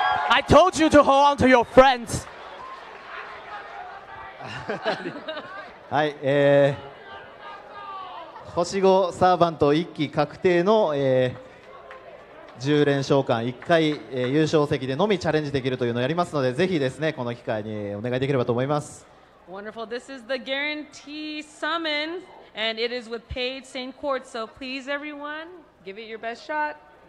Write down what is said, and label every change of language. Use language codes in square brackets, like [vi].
[en] I told you to hold on to your friends. [ja] はい、星5サーバント1期確定の、10連召喚1回、優勝席でのみチャレンジできるというのをやりますので、ぜひですね、この機会にお願いできればと思います。 [en] Wonderful. This is the guarantee summons, and it is with Paige St. Quartz. So please, everyone, give it your best shot.